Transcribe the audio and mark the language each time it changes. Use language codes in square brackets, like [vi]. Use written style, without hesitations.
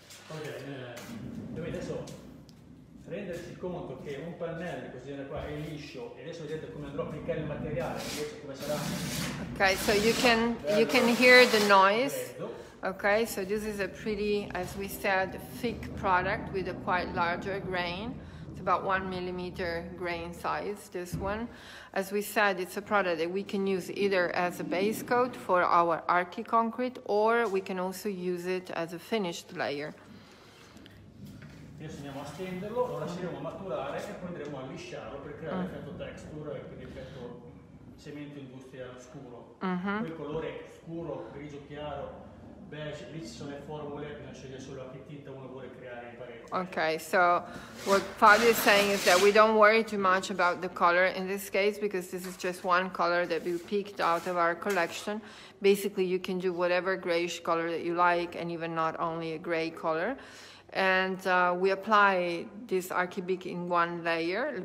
[it] Ok, adesso rendersi conto che un pannello così da qua è liscio, e adesso vedete come andrò a applicare il materiale, come sarà. [en] Ok, so you can hear the noise. Okay, so this is a pretty, as we said, thick product with a quite larger grain. It's about 1 millimeter grain size, this one. As we said, it's a product that we can use either as a base coat for our Archi concrete, or we can also use it as a finished layer. [it] Adesso andiamo a stenderlo, lo lasceremo maturare e poi andremo a lisciarlo per creare l'effetto texture, quindi l'effetto cemento industriale scuro. Il colore scuro, grigio chiaro. Beh, lì ci sono le formule, bisogna solo che tinta uno vuole creare in parete. [en] Okay, so what Fabio is saying is that we don't worry too much about the color in this case, because this is just one color that we picked out of our collection. Basically, you can do whatever grayish color that you like, and even not only a gray color. And we apply this Archi Big in one layer.